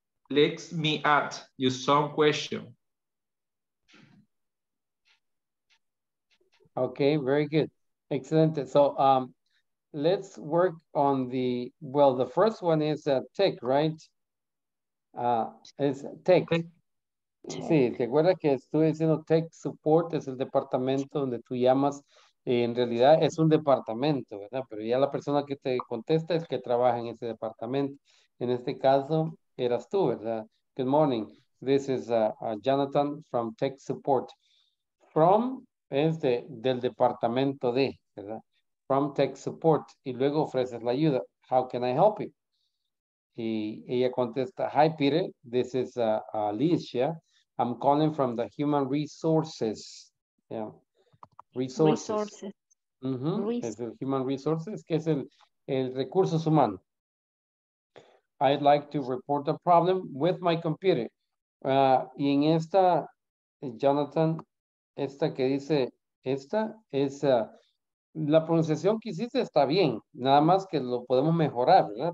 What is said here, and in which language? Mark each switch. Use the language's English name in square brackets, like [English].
[English] Good. Let me ask you some questions. Okay, very good. Excellent. So let's work on the, well, the first one is a tech, right? It's tech. Okay. [Spanish] Sí, ¿te acuerdas que estuve diciendo tech support? Es el departamento donde tú llamas. Y en realidad es un departamento, ¿verdad? Pero ya la persona que te contesta es que trabaja en ese departamento. En este caso, eras tú, ¿verdad? [English] Good morning. This is Jonathan from tech support. [Spanish] From es de, del departamento de, ¿verdad? [English] From tech support. [Spanish] Y luego ofreces la ayuda. [English] How can I help you? [Spanish] Y ella contesta, [English] hi Peter, this is Alicia. I'm calling from the human resources. Yeah. Resources. Resources. Mm-hmm. [Spanish] Es el human resources, que es el recursos humanos. [English] I'd like to report a problem with my computer. [Spanish] Y en esta, Jonathan, esta que dice, esta es... La pronunciación que hiciste está bien, nada más que lo podemos mejorar, ¿verdad?